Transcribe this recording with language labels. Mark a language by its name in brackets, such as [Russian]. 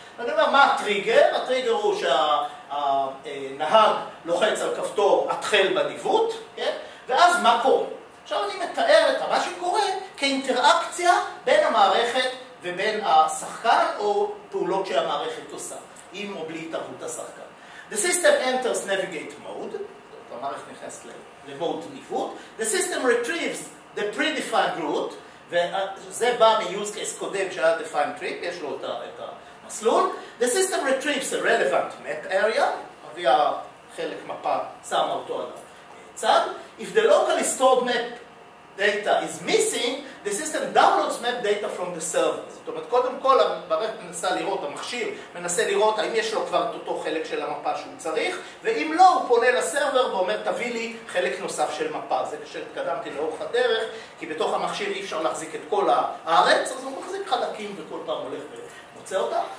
[Hebrew] ואני אומר, מה הטריגר? הטריגר הוא שהנהג לוחץ על כפתור התחל בניווט, כן? ואז מה קורה? עכשיו אני מתאר את מה שקורה כאינטראקציה בין המערכת ובין השחקן או פעולות שהמערכת עושה, עם או בלי התערבות השחקן. [English] The system enters navigate mode, [Hebrew] זאת המערכת נכנסת למוד ניווט. [English] The system retrieves the predefined route, [Hebrew] וזה בא מ-use case קודם שהיה defined trip, יש לו את המסלול. [English] The system retrieves a relevant map area, [Hebrew] מביאה חלק מפה, שמה אותו על הצד. [English] If the locally stored map data is missing, the system downloads map data from the server. [Hebrew] זאת אומרת, קודם כל, המערכת מנסה לראות, המכשיר מנסה לראות האם יש לו כבר את אותו חלק של המפה שהוא צריך, ואם לא, הוא פונה לסרבר ואומר, תביא לי חלק נוסף של מפה. זה כשהתקדמתי לאורך הדרך, כי בתוך המכשיר אי אפשר להחזיק את כל הארץ, אז הוא מחזיק חלקים וכל פעם הולך ומוצא אותה.